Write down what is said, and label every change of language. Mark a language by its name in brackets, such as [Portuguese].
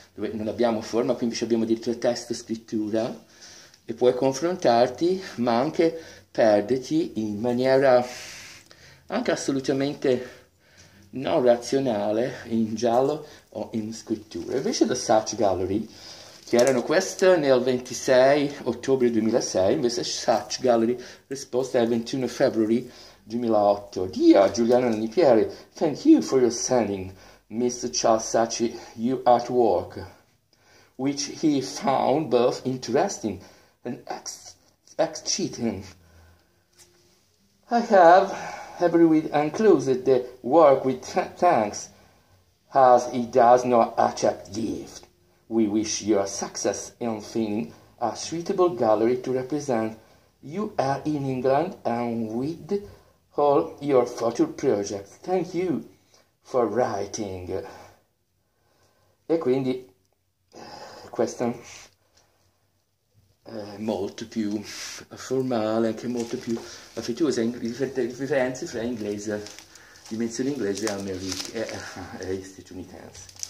[Italian] Dove non abbiamo forma, quindi abbiamo addirittura testo e scrittura, e puoi confrontarti, ma anche perderti in maniera anche assolutamente non razionale, in giallo o in scrittura. Invece la Saatchi Gallery, che erano queste nel 26 ottobre 2006, invece Saatchi Gallery, risposta è 21 febbraio 2008. [English] Dear Giuliano Nipieri, thank you for your sending Mr. Charles Saatchi your artwork, which he found both interesting and exciting. I have every week enclosed the work with thanks, as it does not accept gift. We wish you success in finding a suitable gallery to represent you are in England and with all your future projects. Thank you for writing. [Italian] E quindi questo è molto più formale, anche molto più affettuoso, differenze fra inglese, dimensione inglese e statunitense.